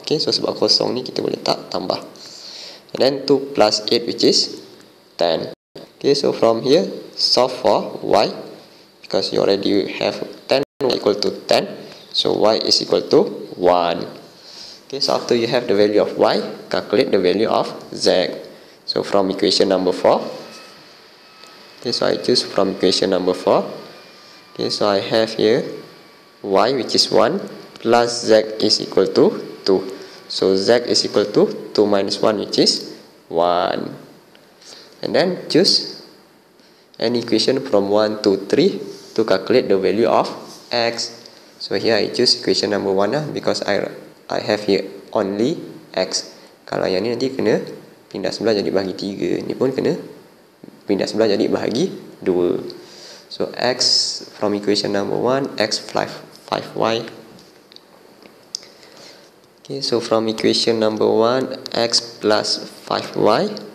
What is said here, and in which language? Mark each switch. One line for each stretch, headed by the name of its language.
Malay: Okay, so sebab kosong ni kita boleh letak tambah.
English: And then 2 plus 8, which is 10. Okay, so from here solve for y, because you already have 10 equal to 10. So y is equal to 1. Okay, so after you have the value of y, calculate the value of z. So from equation number 4. Okay, so I choose from equation number 4. Okay, so I have here y, which is 1, plus z is equal to 2. So z is equal to 2 minus 1, which is 1. And then choose an equation from 1 to 3 to calculate the value of x. So here I choose equation number 1 lah, because I have here only x.
Malay: Kalau yang ni nanti kena pindah sebelah jadi bahagi 3. Ni pun kena pindah sebelah jadi bahagi 2.
English: So x from equation number 1, x 5y. Okay, so from equation number 1, x plus 5y.